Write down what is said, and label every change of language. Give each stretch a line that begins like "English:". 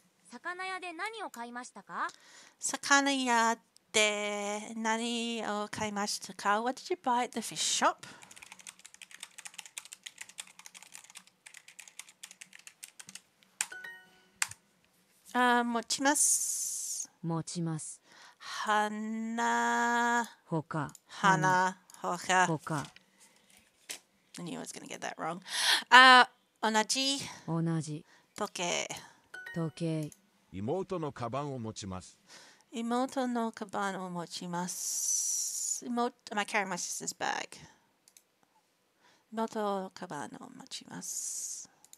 Japanese: 魚屋で何を買いましたか？魚屋で何を買いましたか？
English: What did you buy at the fish shop?
Japanese: あ、持ちます。持ちます。花ほか花ほかほか。
English: I knew I was gonna get that wrong.
Japanese: 同じ同じ時計時計。妹のカバンを持ちます。妹のカバンを持ちます。
English: 妹、I carry my sister's bag.
Japanese: 妹のカバンを持ちます。